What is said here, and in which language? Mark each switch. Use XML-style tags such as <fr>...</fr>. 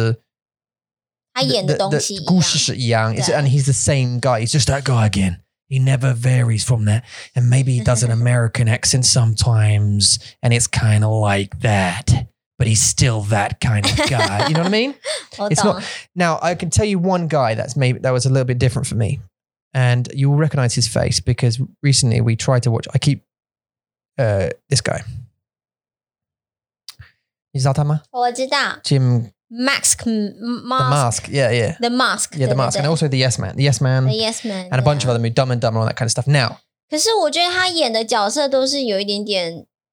<zh>还是一样的。对，他的名字是不一样，但是他演的东西一样。故事是一样。</zh> <en>And he's the same guy. He's just that guy again. He never varies from that. And maybe he does an American accent sometimes and it's kind of like that, but he's still that kind of guy. You know what I mean? It's not. Now I can tell you one guy that was a little bit different for me, and you will recognize his face because recently we tried to watch, I keep this guy. Is that him? Jim. Mask. The Mask. Yeah, yeah. The Mask. Yeah, The Mask. And also The Yes Man. The Yes Man. And a bunch of other movies, Dumb and Dumber, all that kind of stuff. Now.</en> <zh>可是我觉得他演的角色都是有一点点...</zh>